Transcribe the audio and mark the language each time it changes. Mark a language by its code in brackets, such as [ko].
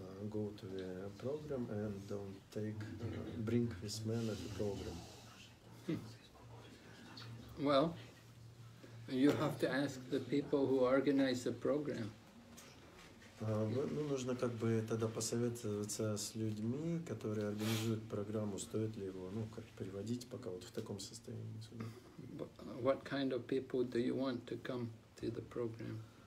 [en] Go to the program and don't take, bring this man at the program. Well, you have to ask the people who organize the program. [ru] Ну, нужно как бы тогда посоветоваться с людьми, которые организуют программу, стоит ли его, ну, как приводить пока вот в таком состоянии. [en] But what kind of people do you want to come to the program?